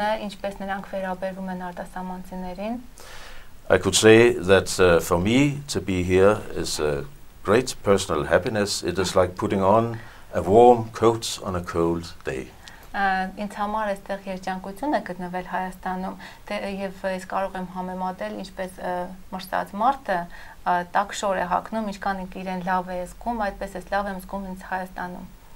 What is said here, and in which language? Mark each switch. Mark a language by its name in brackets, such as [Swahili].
[Armenian] Ինչպես նրանք վերաբերվում են արտասահմանցիներին. [English] I could say that for me to be here is a great personal happiness. It is like putting on a warm coat on a cold day. [Armenian] Ինձ համար այստեղ երջանկությունը գտնվել Հայաստանում, դե եւ ես կարող եմ համեմատել ինչպես մրցած մարդը տաք շոր է հագնում, ինչքան իրեն լավ է զգում, այդպես էլ լավ եմ զգում ինձ Հայաստանում.